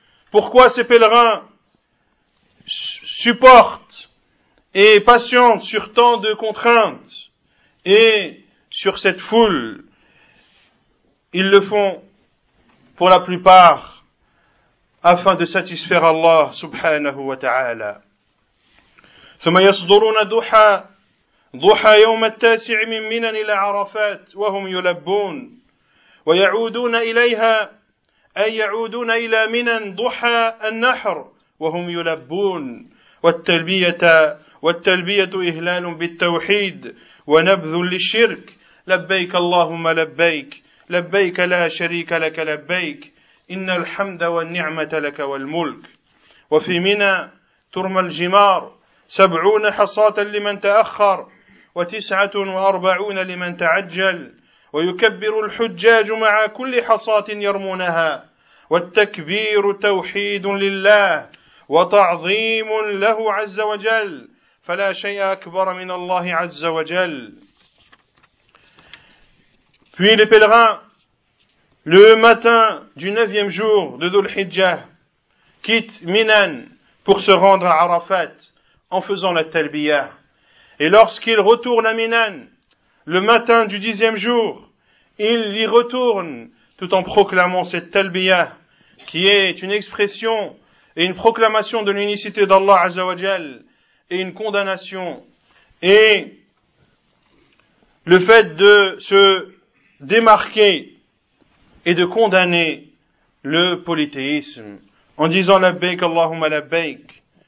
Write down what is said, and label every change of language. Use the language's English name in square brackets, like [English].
[French] Pourquoi ces pèlerins supporte et patiente sur tant de contraintes et sur cette foule? Ils le font pour la plupart afin de satisfaire Allah subhanahu wa ta'ala. [Arabic] ثم يصدرون ضحى ضحى يوم التاسع من منن إلى عرفات وهم يلبون ويعودون إليها أي يعودون إلى منن ضحى النحر وهم يلبون والتلبية والتلبية إهلال بالتوحيد ونبذ للشرك لبيك اللهم لبيك لبيك لا شريك لك لبيك إن الحمد والنعمة لك والملك وفي منى ترمى الجمار سبعون حصاة لمن تأخر وتسعة وأربعون لمن تعجل ويكبر الحجاج مع كل حصاة يرمونها والتكبير توحيد لله وتعظيم له عز وجل فلا شيء أكبر من الله عز وجل. [French] Puis les pèlerins, le matin du neuvième jour de Dhul-Hijjah, quittent Minan pour se rendre à Arafat en faisant la talbiyah. Et lorsqu'ils retournent à Minan, le matin du dixième jour, ils y retournent tout en proclamant cette talbiyah qui est une expression et une proclamation de l'unicité d'Allah Azzawajal, et une condamnation, et le fait de se démarquer et de condamner le polythéisme, en disant « [Arabic] Labbaik Allahumma Labbaik ».